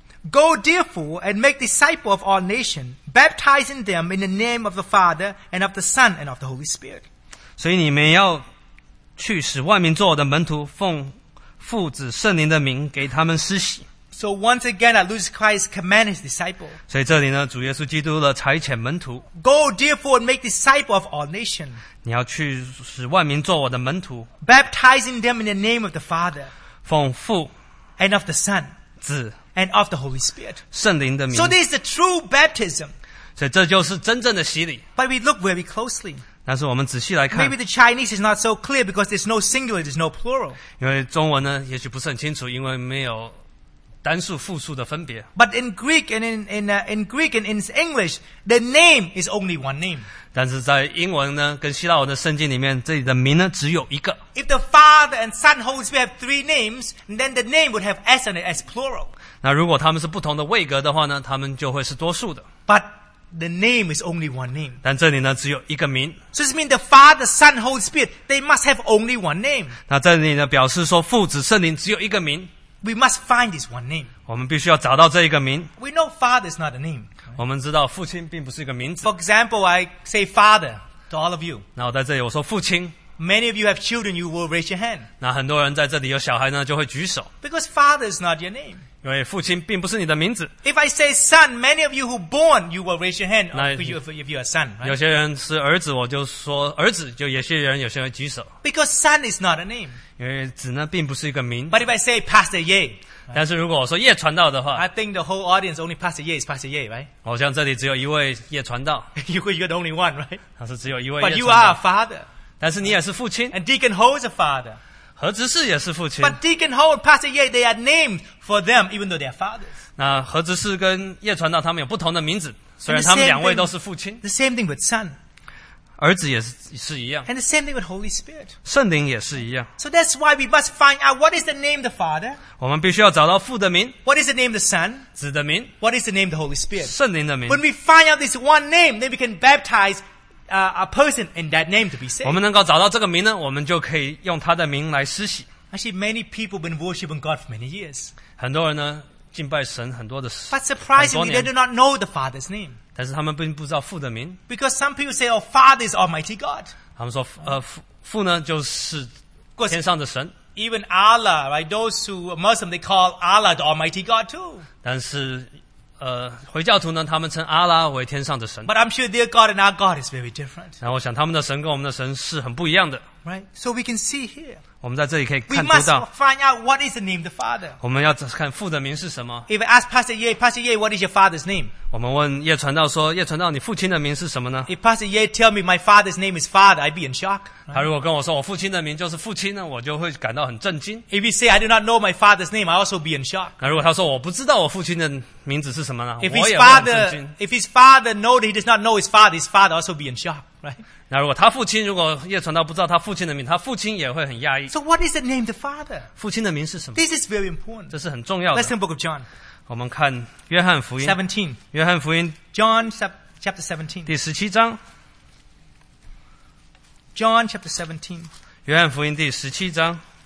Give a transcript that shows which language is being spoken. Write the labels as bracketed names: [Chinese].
[English] Go therefore and make disciples of all nations, baptizing them in the name of the Father and of the Son and of the Holy Spirit. [Chinese] 所以你们要去使万民做我的门徒，奉父子圣灵的名给他们施洗。 [English] So once again, our Lord Jesus Christ commanded his disciples. [Chinese] 所以这里呢, 主耶稣基督的差遣门徒, [English] Go therefore and make disciples of all nations. [Chinese] 你要去使万民做我的门徒, [English] baptizing them in the name of the Father, [Chinese] 奉父, [English] and of the Son, [Chinese] 子, [English] and of the Holy Spirit. [Chinese] 圣灵的名。 [English] So this is the true baptism. [Chinese] 所以这就是真正的洗礼。 [English] But we look very closely. [Chinese] 但是我们仔细来看, [English] Maybe the Chinese is not so clear because there's no singular, there's no plural. [Chinese] 因为中文呢, 也许不是很清楚, 因为没有 单数复数的分别, [English] but in Greek and in Greek and in English, the name is only one name. [Chinese] 但是在英文呢, 跟希腊文的圣经里面, 这里的名呢, 只有一个。 [English] If the Father and Son Holy Spirit have three names, then the name would have S and S plural. [Chinese] 那如果他们是不同的位格的话呢, 他们就会是多数的。 [English] But the name is only one name. [Chinese] 但这里呢, 只有一个名。 [English] So this means the Father, Son, Holy Spirit, they must have only one name. [Chinese] 那这里呢, 表示说父子圣灵只有一个名。 [English] We must find this one name. [Chinese] 我们必须要找到这一个名。 [English] We know Father is not a name. [Chinese] 我们知道父亲并不是一个名字。 [English] For example, I say Father to all of you. [Chinese] 那我在这里我说父亲。 [English] Many of you have children, you will raise your hand. [Chinese] 那很多人在这里有小孩呢，就会举手。 [English] Because Father is not your name. If I say son, many of you who are born, you will raise your hand if you are a son. Right? [Chinese] 有些人是儿子, 我就说儿子, 有些人举手, [English] because son is not a name. [Chinese] 因为子呢并不是一个名, [English] but if I say Pastor Ye, [Chinese] 但是如果我说叶传道的话, [English] I think the whole audience only Pastor Ye is Pastor Ye, right? [Chinese] 好像这里只有一位叶传道, [English] you're the only one, right? [Chinese] 他是只有一位叶传道, [English] but you are a father. [Chinese] 但是你也是父亲, [English] and Deacon Ho is a father. [Chinese] 何执事也是父亲, [English] but Deacon Ho and Pastor Ye, they are named for them, even though they are fathers. [Chinese] 那何执事跟叶传道他们有不同的名字, 虽然他们两位都是父亲, [English] the same thing with son. [Chinese] 儿子也是一样, [English] and the same thing with Holy Spirit. [Chinese] 圣灵也是一样, [English] so that's why we must find out what is the name of the Father. [Chinese] 我们必须要找到父的名, [English] what is the name of the Son? [Chinese] 子的名, [English] what is the name of the Holy Spirit? [Chinese] 圣灵的名. [English] When we find out this one name, then we can baptize a person in that name to be saved. [Chinese] 我们能够找到这个名呢, 我们就可以用他的名来施洗。 [English] Actually, many people have been worshiping God for many years. [Chinese] 很多人呢, 敬拜神很多的, [English] but surprisingly, they do not know the Father's name. [Chinese] 但是他们并不知道父的名。 [English] Because some people say, oh, Father is Almighty God. [Chinese] 他们说, 父呢, 就是天上的神。 [English] Even Allah, right? Those who are Muslim, they call Allah the Almighty God too. [Chinese] 但是, 回教徒呢, 他们称阿拉为天上的神, [English] but I'm sure their God and our God is very different. [Chinese] 然后我想他们的神跟我们的神是很不一样的, [English] right? So we can see here, [Chinese] 我们在这里可以看得到, [English] we must find out what is the name of the Father. [Chinese] 我们要看父的名是什么。 [English] If I ask Pastor Ye, Pastor Ye, what is your father's name? [Chinese] 我们问叶传道说, 叶传道, 你父亲的名是什么呢? [English] If Pastor Ye tell me my father's name is Father, I'd be in shock, right? [Chinese] 他如果跟我说, 我父亲的名就是父亲呢, 我就会感到很震惊。 [English] If he say I do not know my father's name, I also be in shock. [Chinese] 如果他说, 我不知道我父亲的名字是什么呢? [English] If his father know that he does not know his father, his father also be in shock, right? [Chinese] 那如果他父亲, 如果叶传道不知道他父亲的名, 他父亲也会很讶异。 [English] So what is the name of the Father? [Chinese] 父亲的名是什么? [English] This is very important. [Chinese] 这是很重要的。 [English] Let's look at the book of John. [Chinese] 我们看约翰福音, [English] 17. [Chinese] 约翰福音, [English] John chapter 17. [Chinese] 第17章, [English] John chapter 17. [Chinese] 约翰福音第17章,